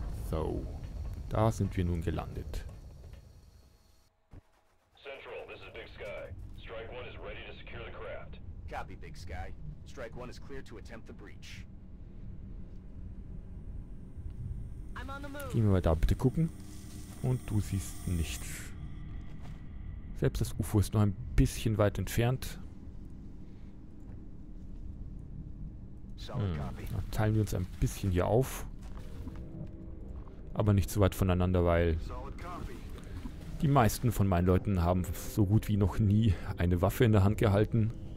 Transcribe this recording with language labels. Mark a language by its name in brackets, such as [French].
[German] So, da sind wir nun gelandet. [English] Central, this is Big Sky. Strike One is ready to secure the craft. Copy, Big Sky. Strike One is clear to attempt the breach. I'm on the move. [German] Gehen wir mal da bitte gucken. Und du siehst nichts. Selbst das UFO ist noch ein bisschen weit entfernt. Dann teilen wir uns ein bisschen hier auf. Aber nicht zu weit voneinander, weil die meisten von meinen Leuten haben so gut wie noch nie eine Waffe in der Hand gehalten.